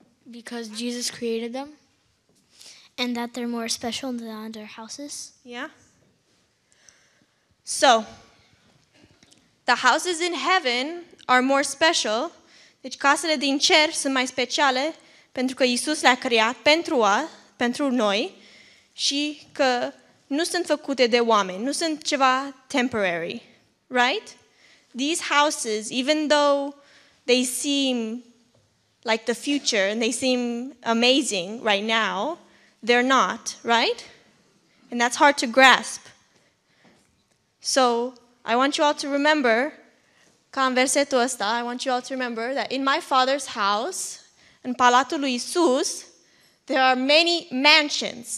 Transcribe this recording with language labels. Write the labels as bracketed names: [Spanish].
[English] Because Jesus created them. And that they're more special than other houses. Yeah. So, the houses in heaven are more special. [Romanian] Deci casele din cer sunt mai speciale pentru că Iisus le-a creat pentru noi și că nu sunt făcute de oameni, nu sunt ceva [English] temporary, right? These houses, even though they seem like the future and they seem amazing right now, they're not, right? And that's hard to grasp. So I want you all to remember, [Romanian] ca în versetul ăsta, [English] I want you all to remember that in my Father's house, [Romanian] în Palatul lui Iisus, [English] there are many mansions.